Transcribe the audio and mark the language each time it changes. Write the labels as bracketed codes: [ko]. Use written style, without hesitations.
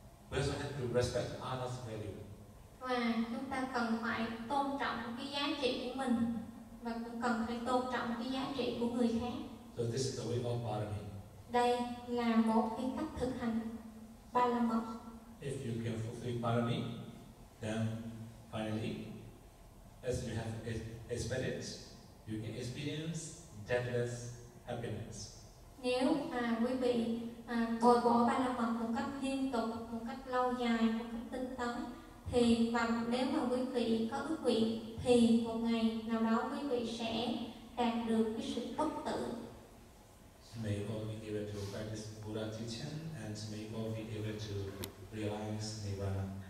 [en] We also have to respect others' value. [vi] Và chúng ta cần phải tôn trọng cái giá trị của mình và cũng cần phải tôn trọng cái giá trị của người khác. [en] So this is the way of Barami. [vi] Đây là một cái cách thực hành ba la mật. [en] If you can fulfill Barami, then finally, as you have experienced, you can experience deathless happiness. [vi] Nếu quý vị bồi bổ ba la mật một cách liên tục, một cách lâu dài, một cách tinh tấn, thì và nếu mà quý vị có ước nguyện, thì một ngày nào đó quý vị sẽ đạt được cái sự bất tử. [en] May all be able to practice Buddha teaching and may all be able to realize Nirvana.